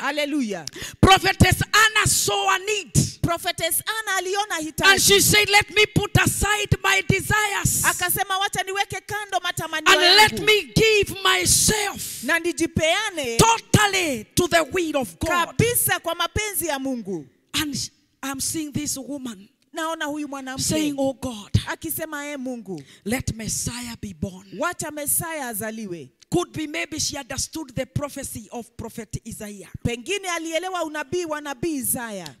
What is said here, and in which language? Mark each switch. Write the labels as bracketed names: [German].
[English] Hallelujah. Prophetess Anna saw a need. [Swahili] Prophetess Anna aliona hitaji. [English] And she said, let me put aside my desires. [Swahili] Akasema wacha niweke kando matamanio yangu. [English] And let me give myself. [Swahili] Na nijipeane. [English] Totally to the will of God. [Swahili] Kabisa kwa mapenzi ya Mungu. [English] And I'm seeing this woman. [Swahili] Naona huyu mwanamke. [English] Saying, oh God. [Swahili] Akisema e Mungu. [English] Let Messiah be born. [Swahili] Wacha Messiah azaliwe. [English] Could be maybe she understood the prophecy of Prophet Isaiah. [Swahili] Pengine alielewa unabii wa nabii Isaiah.